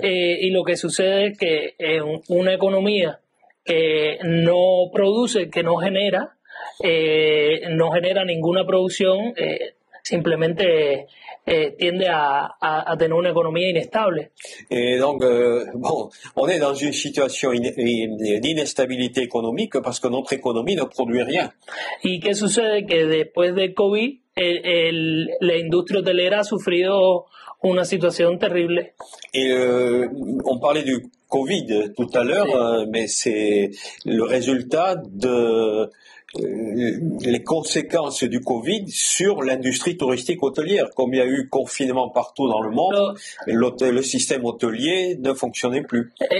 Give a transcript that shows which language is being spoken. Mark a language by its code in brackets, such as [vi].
[fr] Et ce qui se passe, c'est qu'une économie qui ne produit, qui ne génère, [es] no genera ninguna producción, simplemente tiende a tener una economía inestable. [fr] Et donc, bon, on est dans une situation d'inestabilité économique parce que notre économie ne produit rien. [es] ¿Y qué sucede? Que después de COVID, la industria hotelera ha sufrido una situación terrible. [fr] On parlait du COVID tout à l'heure, mais c'est le résultat de les conséquences du Covid sur l'industrie touristique hôtelière. Comme il y a eu confinement partout dans le monde, le système hôtelier ne fonctionnait plus.